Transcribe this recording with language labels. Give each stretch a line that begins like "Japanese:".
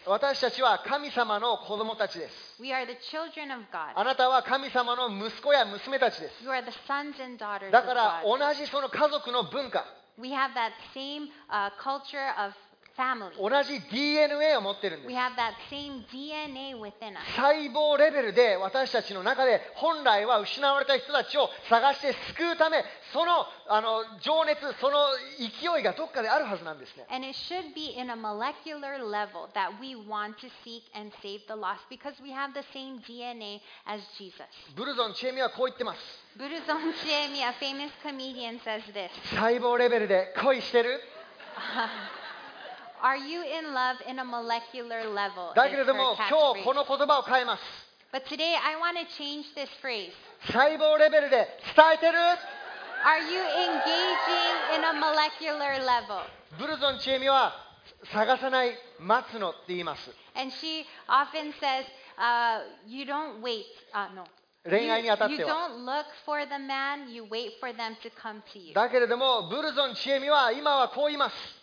Japanese: 私たちは神様の子供たちです。
English: We are the children of God.
Japanese: あなたは神様の息子や娘たちです。
English: You are the sons and daughters of God.
Japanese: だから同じその家族の文化。
English: We have that same culture of family.
Japanese: 同じ DNA を持っているんです。
English: We have that same DNA within us.
Japanese: 細胞レベルで私たちの中で本来は失われた人たちを探して救うためその情熱、その勢いがどこかであるはずなんですね。
English: And it should be in a molecular level that we want to seek and save the lost because we have the same DNA as Jesus.
Japanese: ブルゾン・チェミはこう言ってます。
English: ブルゾン・チェミ、a famous comedian, says this.
Japanese: 細胞レベルで恋してる？
English: Are you in love in a molecular level?
Japanese: だけれども今日この言葉を変えます。
English: But today I want to change this phrase.
Japanese: 細胞レベルで伝えてる？
English: Are you engaging in a molecular level?
Japanese: ブルゾン・チェミは探さない待つのって言います。
English: And she often says, you don't wait. No.
Japanese: 恋愛にあたっては
English: you don't look for the man, you wait for them to come to you.
Japanese: だけれどもブルゾン・チエミは今はこう言います。